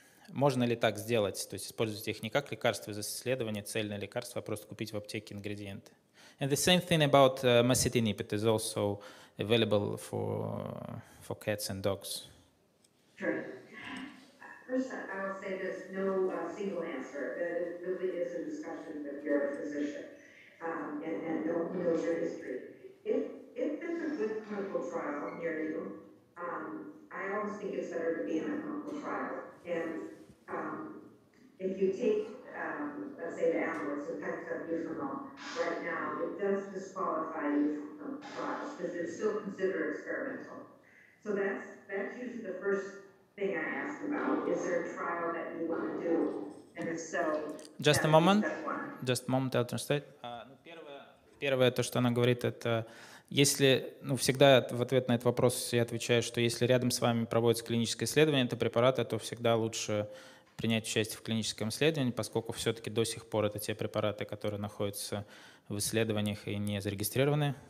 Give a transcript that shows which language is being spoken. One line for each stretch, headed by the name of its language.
Russian: Можно ли так сделать, то есть использовать их не как лекарство из исследования, цельное лекарство, а просто купить в аптеке ингредиенты?
English: And the same thing about masitinib, it is also available for cats and dogs. Sure. First, I will say there's no single answer. That it really is a discussion with your physician and don't know your history. If there's a good clinical trial near you, I always think it's better to be in a clinical trial. And if you take, let's say, the amylase, the pexabuphenol, right now, it does disqualify you from clinical trials because it's still considered experimental. So that's usually the first thing I ask about. Is there a trial that you want to do? And if so, just a moment. Just a moment, I'll translate.
Russian: Первое, то, что она говорит, это если, всегда в ответ на этот вопрос я отвечаю, что если рядом с вами проводится клиническое исследование этого препарата, то всегда лучше принять участие в клиническом исследовании, поскольку все-таки до сих пор это те препараты, которые находятся в исследованиях и не зарегистрированы.